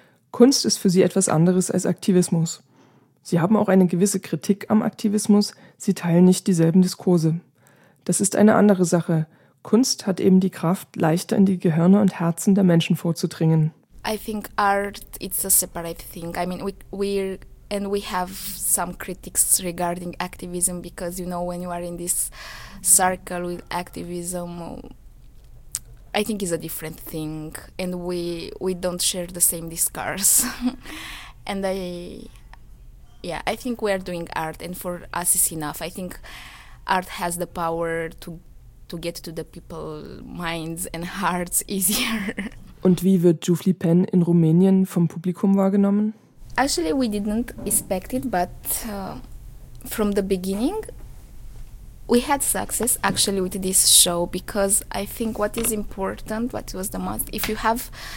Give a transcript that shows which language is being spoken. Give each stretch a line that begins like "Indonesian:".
German: Kunst ist für sie etwas anderes als Aktivismus. Sie haben auch eine gewisse Kritik am Aktivismus, sie teilen nicht dieselben Diskurse. Das ist eine andere Sache. Kunst hat eben die Kraft, leichter in die Gehirne und Herzen der Menschen vorzudringen.
English: I think art it's a separate thing. I mean we have some critics regarding activism because you know when you are in this circle with activism I think it's a different thing and we don't share the same discourse. And I think we are doing art and for us it's enough. I think art has the power to get to the people's minds and hearts easier.
German: Und wie wird Jufli Pen in Rumänien vom Publikum wahrgenommen?
English: Actually, we didn't expect it, but from the beginning, we had success actually with this show because I think what is important, what was the most, if you have